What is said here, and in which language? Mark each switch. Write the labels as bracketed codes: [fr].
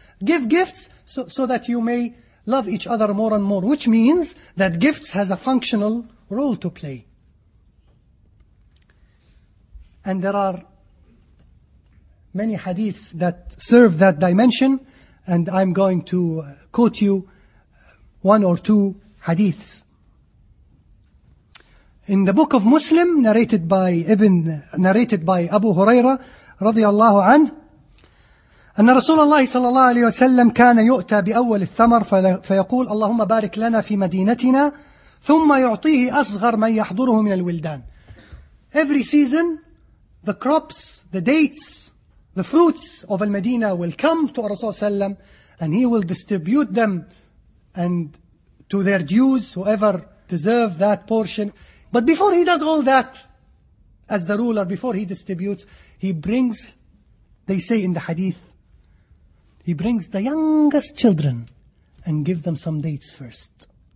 [en] Give gifts so that you may love each other more and more, which means that gifts has a functional role to play. And there are many hadiths that serve that dimension, and I'm going to quote you one or two hadiths. In the book of Muslim, narrated by Abu Huraira, radiallahu anhu, [ar] أن رسول الله صلى الله عليه وسلم كان يؤتى بأول الثمر فيقول اللهم بارك لنا في مدينتنا ثم يعطيه أصغر من يحضره من الولدان. [en] Every season, the crops, the dates, the fruits of Al-Madinah will come to Rasul Sallam, and he will distribute them and to their dues, whoever deserve that portion. But before he does all that, as the ruler, before he distributes, he brings, they say in the hadith, he brings the youngest children and give them some dates first.